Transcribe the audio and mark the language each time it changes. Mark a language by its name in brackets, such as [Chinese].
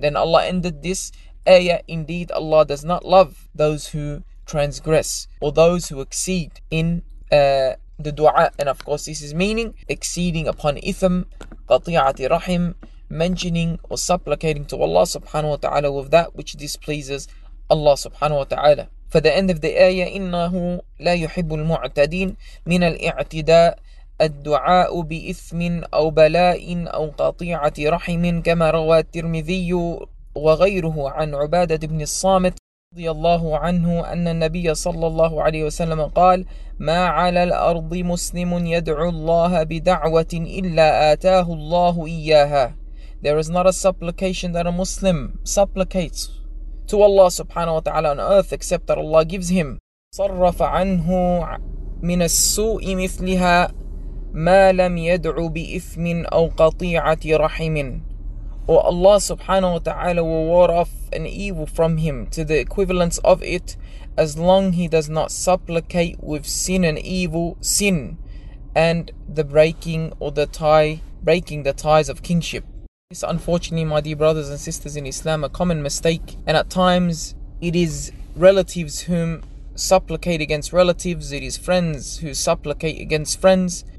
[English] Then Allah ended this ayah, indeed Allah does not love those who transgress or those who exceed in the dua. And of course this is meaning exceeding upon ithm, قَطِيعَةِ rahim, mentioning or supplicating to Allah subhanahu wa ta'ala with that which displeases Allah subhanahu wa ta'ala. For the end of the ayah, [Arabic] إِنَّهُ لَا يُحِبُّ الْمُعْتَدِينَ مِنَ الْإِعْتِدَاءِ الدعاء بإثم أو بلاء أو قطيعة رحم كما روى الترمذي وغيره عن عبادة بن الصامت رضي الله عنه أن النبي صلى الله عليه وسلم قال ما على الأرض مسلم يدعو الله بدعوة إلا آتاه الله إياها. [English] There is not a supplication that a Muslim supplicates to Allah subhanahu wa ta'ala on earth except that Allah gives him. [Arabic] صرف عنه من السوء مثلها ما لم يدعو بإثم أو قطيعة رحم. [English] Or Allah subhanahu wa ta'ala will ward off an evil from him to the equivalence of it, as long he does not supplicate with sin and evil, sin and the breaking or the tie, breaking the ties of kingship. This unfortunately, my dear brothers and sisters in Islam, a common mistake, and at times it is relatives whom supplicate against relatives, it is friends who supplicate against friends.